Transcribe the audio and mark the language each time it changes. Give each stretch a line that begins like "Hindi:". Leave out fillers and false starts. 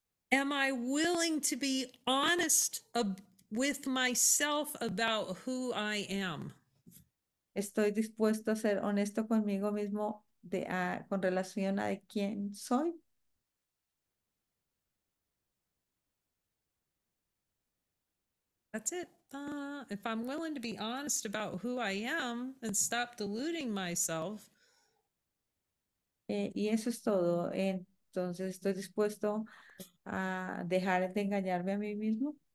English: Am I willing to be honest with myself about who I am?
Spanish: Estoy dispuesto a ser honesto conmigo mismo con relación a de quién soy.
English: That's it. If I'm willing to be honest about who I am and stop deluding myself.
Spanish: Y eso es todo. Entonces, estoy dispuesto a dejar de engañarme a mí mismo.